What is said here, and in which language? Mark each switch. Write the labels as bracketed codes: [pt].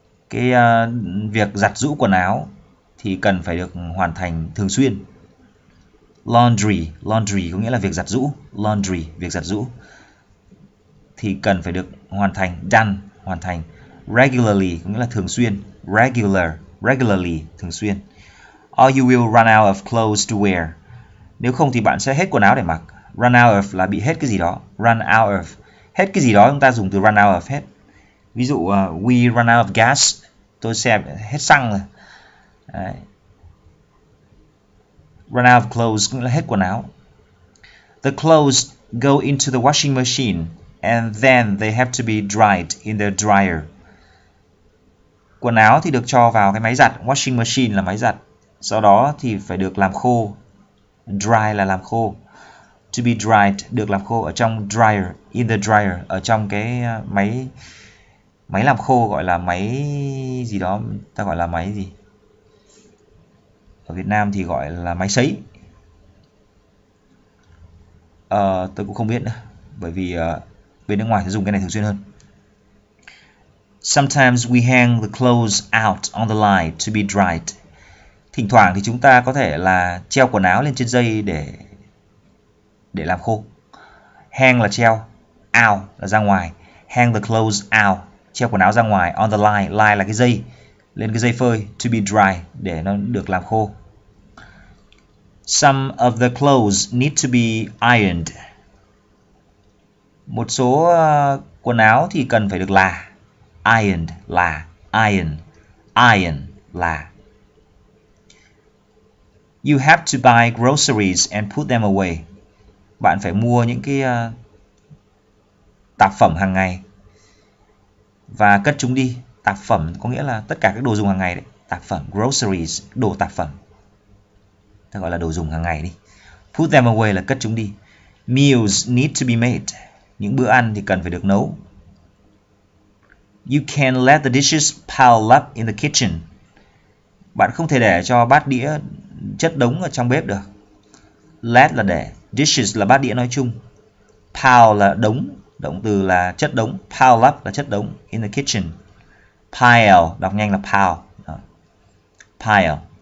[vi] Cái việc giặt giũ quần áo thì cần phải được hoàn thành thường xuyên. Laundry có nghĩa là việc giặt giũ. Laundry, việc giặt giũ. Thì cần phải được hoàn thành. Done, hoàn thành. Regularly có nghĩa là thường xuyên. Regularly, thường xuyên. [en] Or you will run out of clothes to wear. [vi] Nếu không thì bạn sẽ hết quần áo để mặc. Run out of là bị hết cái gì đó. Run out of. Hết cái gì đó, chúng ta dùng từ run out of hết. Ví dụ, [en] we run out of gas. [vi] Tôi xe hết xăng rồi. Đấy. Run out of clothes cũng là hết quần áo. [en] The clothes go into the washing machine and then they have to be dried in the dryer. [vi] Quần áo thì được cho vào cái máy giặt. Washing machine là máy giặt. Sau đó thì phải được làm khô. Dry là làm khô. [en] To be dried, [vi] được làm khô ở trong dryer, [en] in the dryer, [vi] ở trong cái máy làm khô, gọi là máy gì đó, ta gọi là máy gì? Ở Việt Nam thì gọi là máy sấy. Tôi cũng không biết nữa, bởi vì bên nước ngoài sẽ dùng cái này thường xuyên hơn. [en] Sometimes we hang the clothes out on the line to be dried. [vi] Thỉnh thoảng thì chúng ta có thể là treo quần áo lên trên dây để làm khô. Hang là treo, out là ra ngoài. [en] Hang the clothes out, [vi] treo quần áo ra ngoài. [en] On the line, [vi] line là cái dây, lên cái dây phơi, [en] to be dry, [vi] để nó được làm khô. [en] Some of the clothes need to be ironed. [vi] Một số quần áo thì cần phải được là. [en] Ironed, là, iron, iron, là. You have to buy groceries and put them away. [vi] Bạn phải mua những cái tạp phẩm hàng ngày và cất chúng đi. Tạp phẩm có nghĩa là tất cả các đồ dùng hàng ngày đấy. Tạp phẩm, groceries, đồ tạp phẩm. Ta gọi là đồ dùng hàng ngày đi. [en] Put them away [vi] là cất chúng đi. [en] Meals need to be made. [vi] Những bữa ăn thì cần phải được nấu. [en] You can let the dishes pile up in the kitchen. [vi] Bạn không thể để cho bát đĩa chất đống ở trong bếp được. Let là để. Dishes là bát đĩa nói chung. Pile là đống. Động từ là chất đống. [en] Pile up [vi] là chất đống. [en] In the kitchen. [vi] Pile. Đọc nhanh là pile. Đó. Pile.